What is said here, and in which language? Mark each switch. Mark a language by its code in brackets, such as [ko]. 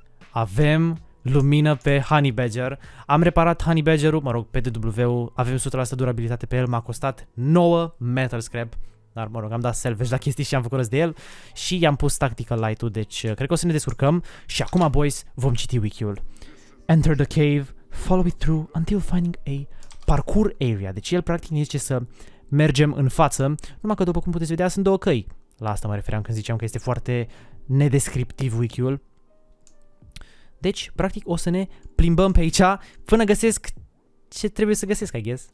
[ro] Avem lumină pe Honey Badger, am reparat Honey Badger-ul, mă rog, pe DW-ul, avem 100% durabilitate pe el, m-a costat 9 Metal Scrap, dar mă rog, am dat salvage la chestii și am făcut răs de el și i-am pus Tactical Light-ul, deci cred că o să ne descurcăm și acum, boys, vom citi wiki-ul. [en] Enter the cave, follow it through until finding a... parkour area, [ro] deci el practic ne zice să mergem în față, numai că după cum puteți vedea sunt două căi. La asta mă refeream când ziceam că este foarte nedescriptiv wiki-ul. Deci, practic o să ne plimbăm pe aici până găsesc ce trebuie să găsesc, [en] I guess.